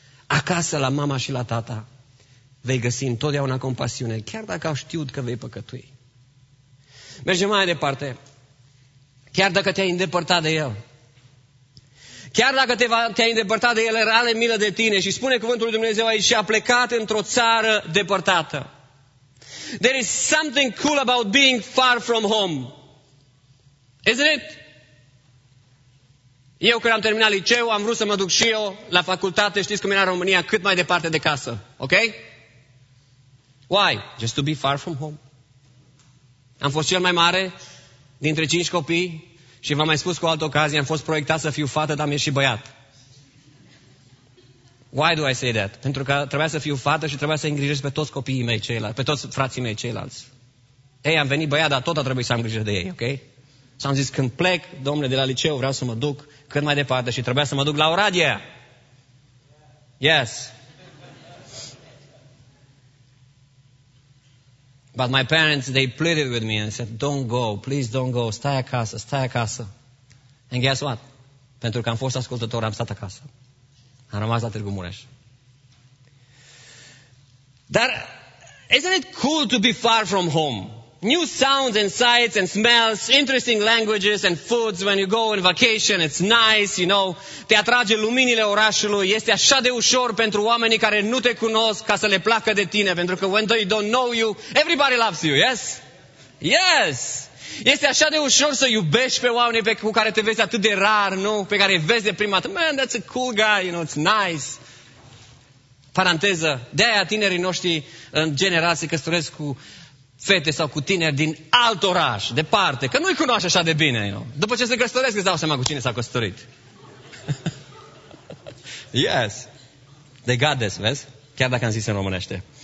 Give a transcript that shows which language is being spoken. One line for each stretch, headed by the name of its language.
Romanian: Acasă, la mama și la tata, vei găsi întotdeauna compasiune, chiar dacă au știut că vei păcătui. Mergem mai departe. Chiar dacă te-ai îndepărtat de el. Chiar dacă te-ai îndepărtat de el, era ale milă de tine. Și spune cuvântul lui Dumnezeu aici, și a plecat într-o țară depărtată.
English: There is something cool about being far from home. Isn't it?
Romanian: Eu când am terminat liceu, am vrut să mă duc și eu la facultate, știți cum era România, cât mai departe de casă. Ok?
English: Why? Just to be far from home.
Romanian: Am fost cel mai mare dintre 5 copii și v-am mai spus cu altă ocazie, am fost proiectat să fiu fată, dar am ieșit băiat.
English: Why do I say that?
Romanian: Pentru că trebuia să fiu fată și trebuia să îngrijesc pe toți copiii mei ceilalți, pe toți frații mei ceilalți. Ei, am venit băiat, dar tot a trebuit să am grijă de ei, ok? Și am zis, când plec, domnule, de la liceu, vreau să mă duc cât mai departe și trebuia să mă duc la Oradea.
English: Yes. But my parents, they pleaded with me and said, don't go, please don't go,
Romanian: stai acasă, stai acasă.
English: And guess what?
Romanian: Pentru că am fost ascultător, am stat acasă. Am rămas la Târgu Mureș.
English: Dar, isn't it cool to be far from home? New sounds and sights and smells, interesting languages and foods when you go on vacation, it's nice, you know.
Romanian: Te atrage luminile orașului, este așa de ușor pentru oamenii care nu te cunosc ca să le placă de tine, pentru că
English: when they don't know you, everybody loves you, yes? Yes!
Romanian: Este așa de ușor să iubești pe oamenii pe cu care te vezi atât de rar, nu? Pe care îi vezi de prima dată.
English: Man, that's a cool guy, you know, it's nice.
Romanian: Paranteză, de-aia tinerii noștri în general se căsătoresc cu fete sau cu tineri din alt oraș, departe, că nu-i cunoaște așa de bine,
English: you know?
Romanian: După ce se căsătoresc, îți dau seama cu cine s-a căsătorit.
English: Yes. They got this,
Romanian: vezi? Chiar dacă am zis în românește.